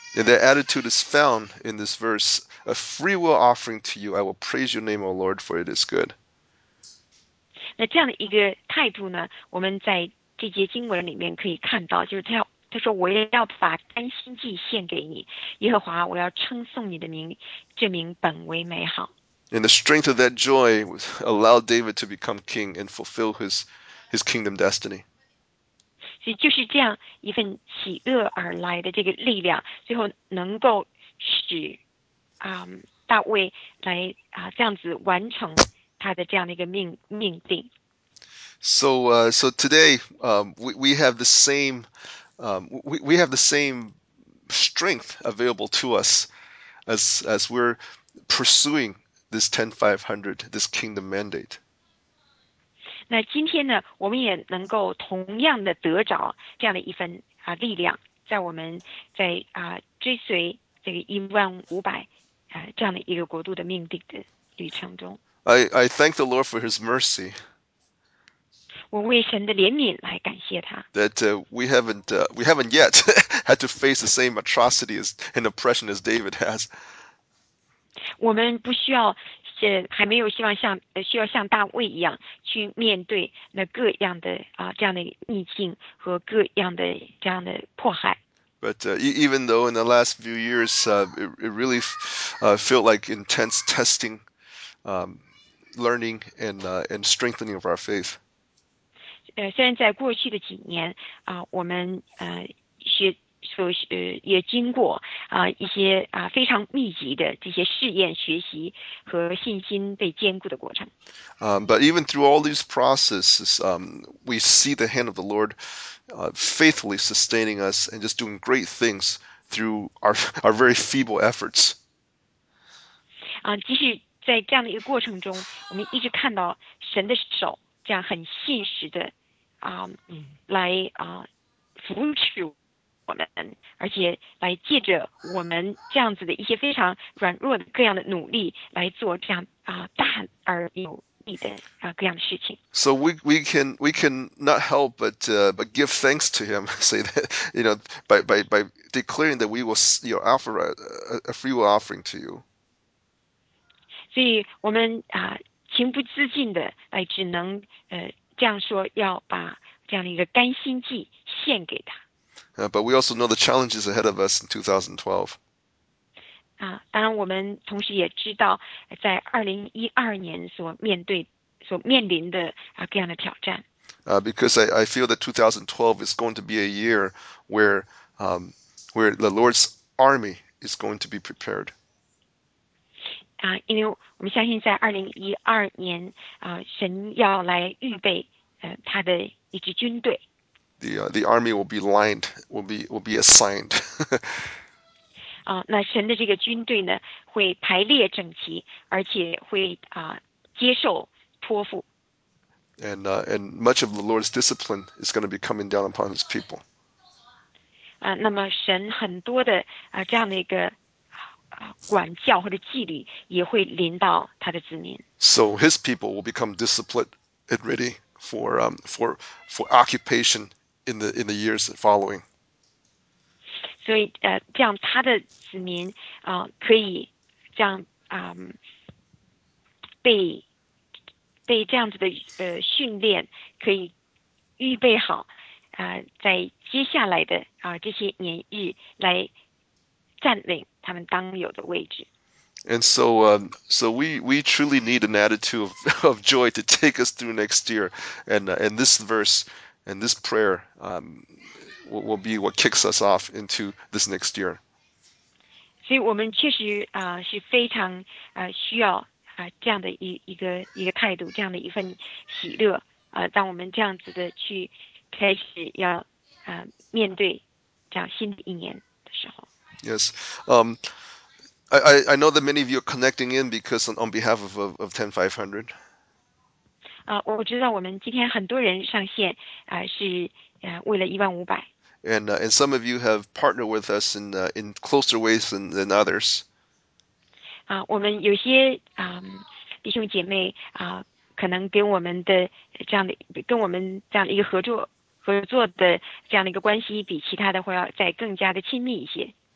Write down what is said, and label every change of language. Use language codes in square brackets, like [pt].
[en] And that attitude is found in this verse, a free will offering to you. I will praise your name, O Lord, for it is good. [zh] 那这样的一个态度呢，我们在这节经文里面可以看到，就是他要。他说：“我也要把甘心祭献给你，耶和华，我要称颂你的名，这名本为美好。 [en] And the strength of that joy allowed David to become king and fulfill his kingdom destiny. [zh] ”所以就是这样一份喜乐而来的这个力量，最后能够使大卫来这样子完成他的这样的一个命定。 [en] So today, we have the same we have the same strength available to us as we're pursuing this 10500, this kingdom mandate. [zh] 那今天呢，我们也能够同样的得着这样的一份力量，在我们在追随这个15,500这样的一个国度的命定的旅程中， [en] I thank the Lord for his mercy [zh] 我为神的怜悯来感谢他。 [en] that we haven't yet had to face the same atrocity as and oppression as David has. [zh] 我们不需要还没有希望像需要像大卫一样去面对那各样的这样的逆境和各样的这样的迫害。 [en] But even though in the last few years it really felt like intense testing, learning and strengthening of our faith. [zh] 虽然在过去的几年我们学。所也经过一些非常密集的这些试验、学习和信心被坚固的过程。 [en] But even through all these processes, we see the hand of the Lord faithfully sustaining us and just doing great things through our very feeble efforts. [zh] 即使在这样的一个过程中，我们一直看到神的手，这样很现实的来扶持我们，而且来借着我们这样子的一些非常软弱的各样的努力来做这样大而有力的各样的事情。 [en] So we can not help but give thanks to him, say that, by declaring that we will offer a free will offering to you. [zh] 所以我们情不自禁的只能这样说，要把这样的一个甘心祭献给他。 [en] But we also know the challenges ahead of us in 2012. [zh] 当然我们同时也知道，在2012年所面临的各样的挑战。 [en] Because I feel that 2012 is going to be a year where the Lord's army is going to be prepared. [zh] 因为我们相信，在2012年，神要来预备他的一支军队。 [en] The army will be lined, will be assigned. [zh] 那神的这个军队呢，会排列整齐，而且会接受托付。 [en] And much of the Lord's discipline is going to be coming down upon his people. [zh] 那么神很多的这样的一个管教或者纪律也会临到他的子民。 [en] So his people will become disciplined and ready for occupation in the years following. [zh] 所以这样他的子民可以这样被这样子的训练，可以预备好在接下来的这些年日来占领他们当有的位置。 [en] And so we truly need an attitude of joy to take us through next year. And this verse and this prayer will be what kicks us off into this next year. [zh] 所以我们确实是非常需要这样的一个态度，这样的一份喜乐。当我们这样子的去开始要面对这样新的一年的时候。 [en] Yes. I know that many of you are connecting in because on behalf of 10500. [zh] 我知道我们今天很多人上线，是为了15,000。 [en] And some of you have partnered with us in closer ways than others. [zh] 我们有些弟兄姐妹可能跟我们的这样的跟我们这样的一个合作的这样的一个关系，比其他的会要再更加的亲密一些。